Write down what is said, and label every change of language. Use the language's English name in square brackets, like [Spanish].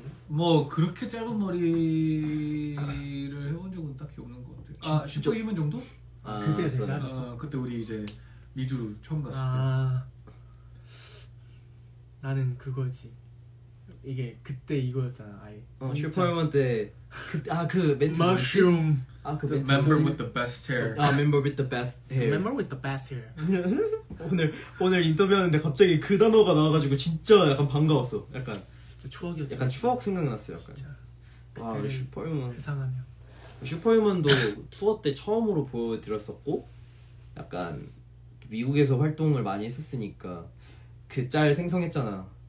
[Korean] 뭐 그렇게 짧은 머리를 해본 적은 딱히 없는 것 같아. 아 슈퍼 이문 정도? 아, 그때 되게 잘랐어. 그때 우리 이제 미주 처음 갔을 때. 아, 나는 그거지. 이게 그때 이거였잖아 아예 슈퍼 형한테 그 멘트 마쉬움 아, 그 멘트. [English] Member with the best hair. 아, member with the best hair. Member with the best hair. [Korean] 오늘 인터뷰하는데 갑자기 그 단어가 나와가지고 진짜 약간 반가웠어. 약간 진짜 추억이었죠. 약간 추억 생각났어요. 약간. 진짜. 와, 슈퍼유먼. 이상하네요. 슈퍼유먼도 투어 때 처음으로 보여드렸었고, 약간 미국에서 활동을 많이 했었으니까 그 짤 생성했잖아.